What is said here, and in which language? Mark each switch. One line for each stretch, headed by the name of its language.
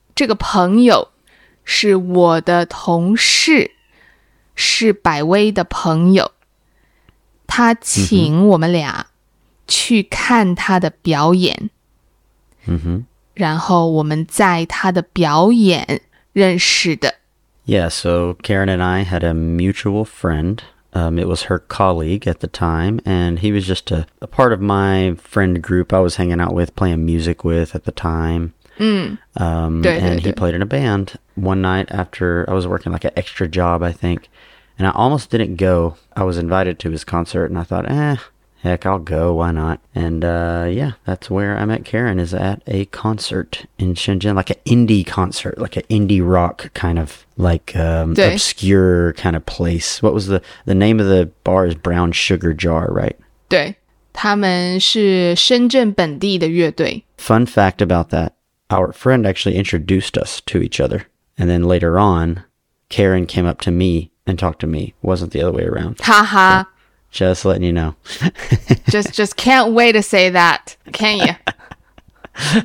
Chinese: 这个朋友是我的同事，是百威的朋友，他请我们俩去看他的表演，然后我们在他的表演认识的。
English: Yeah, so Karen and I had a mutual friend. It was her colleague at the time, and he was just a part of my friend group I was hanging out with, playing music with at the time. And he played in a band one night after I was working like an extra job, I think. And I almost didn't go. I was invited to his concert and I thought, heck, I'll go. Why not? And yeah, that's where I met Karen is at a concert in Shenzhen, like an indie concert, like an indie rock kind of like obscure kind of place. What was the name of the bar is Brown Sugar Jar, right?
Chinese: 对,他们是深圳本地的乐队。
English: Fun fact about that. Our friend actually introduced us to each other. And then later on, Karen came up to me and talked to me. Wasn't the other way around. Haha. Just letting you know. just can't wait to say that, can you?